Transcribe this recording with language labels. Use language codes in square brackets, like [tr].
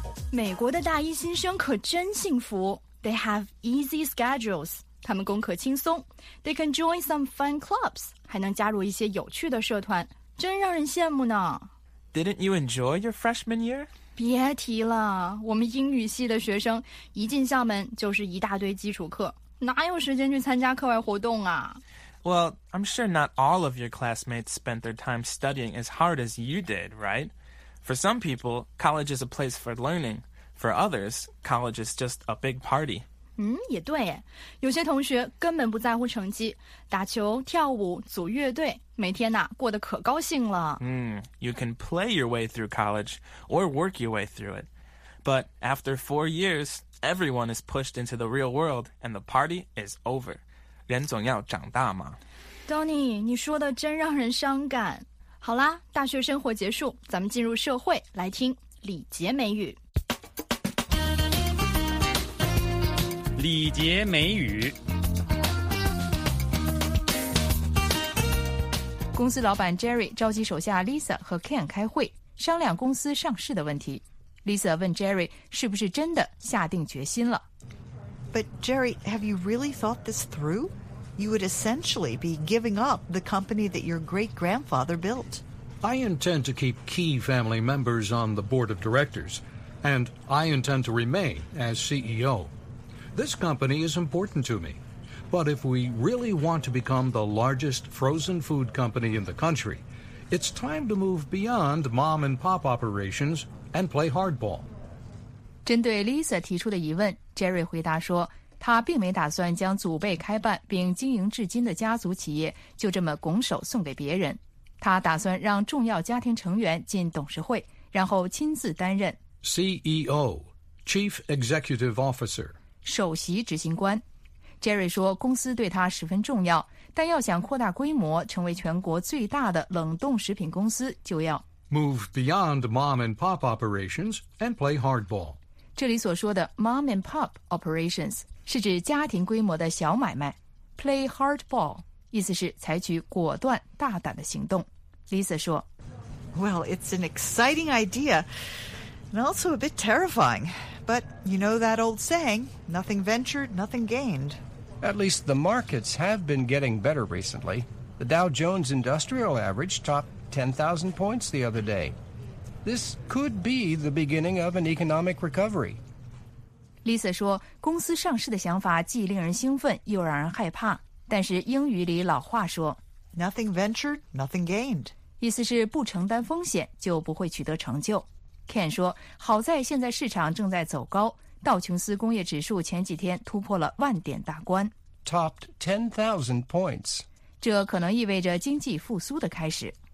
[zh] 美国的大一新生可真幸福。 [en] They have easy schedules. [zh] 他们功课轻松。 [en] They can join some fun clubs. [zh] 还能加入一些有趣的社团。真让人羡慕呢。 [en] Didn't you enjoy your freshman year? [zh] 别提了。我们英语系的学生一进校门就是一大堆基础课。哪有时间去参加课外活动啊。 [en] Well, I'm sure not all of your classmates spent their time studying as hard as you did, right? For some people, college is a place for learning. For others, college is just a big party. [zh] 也对耶。有些同学根本不在乎成绩，打球、跳舞、组乐队，每天呐，过得可高兴了。 [en] You can play your way through college or work your way through it. But after 4 years, everyone is pushed into the real world and the party is over. [zh] 人总要长大嘛。 Donny, 你说的真让人伤感。好啦，大学生活结束，咱们进入社会，来听李杰美语。李杰美语。公司老板 Jerry 召集手下 Lisa 和 Ken 开会，商量公司上市的问题。 Lisa 问 Jerry 是不是真的下定决心了。 [en] But Jerry, have you really thought this through? You would essentially be giving up the company that your great-grandfather built. I intend to keep key family members on the board of directors, and I intend to remain as CEO. This company is important to me, but if we really want to become the largest frozen food company in the country, it's time to move beyond mom-and-pop operations and play hardball. [zh] 针对 Lisa 提出的疑问 ,Jerry 回答说他并没打算将祖辈开办并经营至今的家族企业就这么拱手送给别人。他打算让重要家庭成员进董事会，然后亲自担任 [en] CEO, Chief Executive Officer, [zh] 首席执行官。 Jerry 说公司对他十分重要，但要想扩大规模成为全国最大的冷冻食品公司，就要 [en] Move beyond mom and pop operations and play hardball. [zh] 这里所说的 [en] mom and pop operations [zh] 是指家庭规模的小买卖。 [en] Play hardball [zh] 意思是采取果断大胆的行动。 Lisa 说 [en] Well, it's an exciting idea and also a bit terrifying. But you know that old saying, nothing ventured, nothing gained. At least the markets have been getting better recently. The Dow Jones Industrial Average topped 10,000 points the other day.This could be the beginning of an economic recovery. [zh] Lisa 说，公司上市的想法既令人兴奋又让人害怕。但是英语里老话说 [en] Nothing ventured, nothing gained. [zh] 意思是不承担风险就不会取得成就。Ken 说，好在现在市场正在走高，道琼斯工业指数前几天突破了万点大关。 [en] Topped 10,000 points. [zh] 这可能意味着经济复苏的开始。